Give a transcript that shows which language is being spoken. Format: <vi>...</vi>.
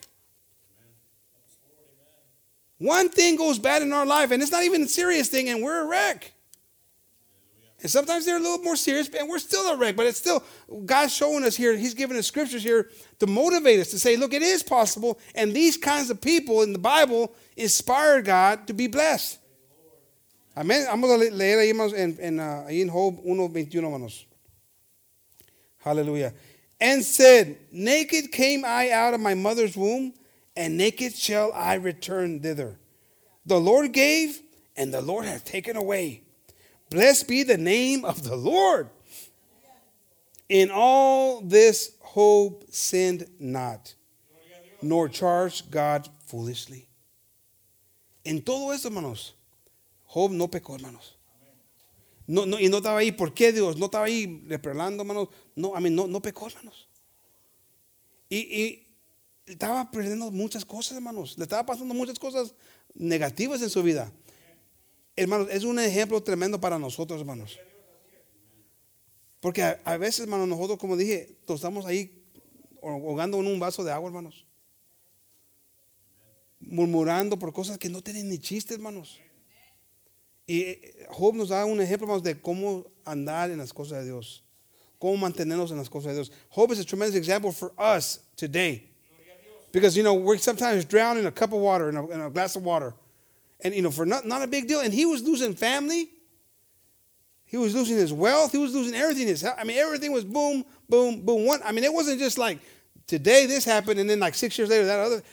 <en>Amen. One thing goes bad in our life, and it's not even a serious thing, and we're a wreck. And sometimes they're a little more serious, and we're still a wreck. But it's still, God's showing us here, he's giving us scriptures here to motivate us to say, look, it is possible. And these kinds of people in the Bible inspire God to be blessed. Amen.</en> <es>Vamos a leer ahí, hermanos, ahí en Job 1:21, hermanos.</es> <en>Hallelujah. And said, naked came I out of my mother's womb, and naked shall I return thither. The Lord gave, and the Lord hath taken away. Blessed be the name of the Lord. In all this, hope sinned not, nor charged God foolishly.</en> <es>En todo esto, hermanos, Job no pecó, hermanos. No, no, y no estaba ahí, ¿por qué Dios? No estaba ahí reprobando, hermanos. No, a mí no pecó, hermanos. Y estaba perdiendo muchas cosas, hermanos. Le estaba pasando muchas cosas negativas en su vida. Hermanos, es un ejemplo tremendo para nosotros, hermanos. Porque a veces, hermanos, nosotros, como dije, estamos ahí ahogando en un vaso de agua, hermanos. Murmurando por cosas que no tienen ni chiste, hermanos. Y Job nos da un ejemplo, hermanos, de cómo andar en las cosas de Dios. Cómo mantenernos en las cosas de Dios.</es> <en>Job is a tremendous example for us today. Because, you know, we're sometimes drowned in a cup of water, in a glass of water. And, you know, for not a big deal. And he was losing family. He was losing his wealth. He was losing everything. Everything was boom, boom, boom. One. I mean, it wasn't just like today this happened and then like 6 years later that other.</en>